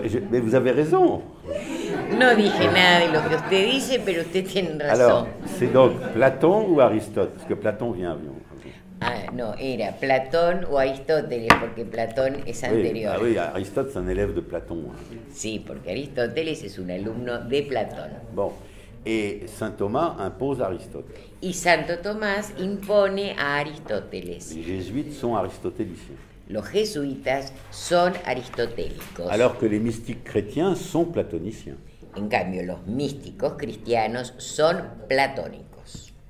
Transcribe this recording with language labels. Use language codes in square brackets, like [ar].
[fr] Mais vous avez raison. [es] No dije nada de lo que usted dice, pero usted tiene razón. [fr] Alors, c'est donc Platon ou Aristote? Parce que Platon vient avion. [es] Ah, no, era Platón o Aristóteles, porque Platón es anterior. [fr] Oui, Aristote es un élève de Platón. [es] Sí, porque Aristóteles es un alumno de Platón. [fr] Bon. Et Saint Thomas impose Aristote. [es] Y Santo Tomás impone a Aristóteles. [fr] Les jésuites sont aristotéliciens. [es] Los jesuitas son aristotélicos. [fr] Alors que les mystiques chrétiens sont platoniciens. [es] En cambio, los místicos cristianos son platónicos.